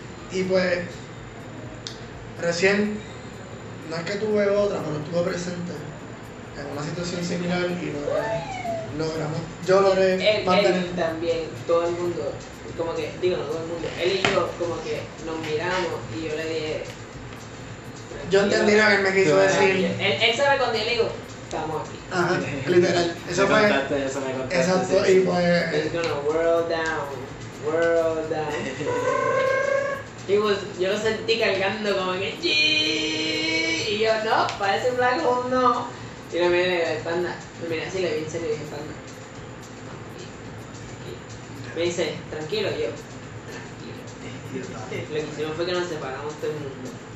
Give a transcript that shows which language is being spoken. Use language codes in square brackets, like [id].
[es] Y pues, recién, no es que tuve otra, pero estuve presente en una situación similar y logramos. Yo logré mantener. También, todo el mundo, como que, digo, no todo el mundo, él y yo, como que nos miramos y yo le dije. Yo entendí lo que él me quiso decir. Él sabe cuando yo le digo, estamos aquí. Ajá, literal. Eso me fue. Contaste, eso me contaste. Exacto, y fue. [en] It's gonna whirl down, whirl down. [es] Y pues, yo lo sentí cargando como que, chiii. Y yo, no, parece un black hole, no. Y lo miré de la espalda. Lo miré así, le vi en serio y espalda. Me dice, tranquilo, yo. Tranquilo. Lo que hicimos fue que nos separamos todo el mundo.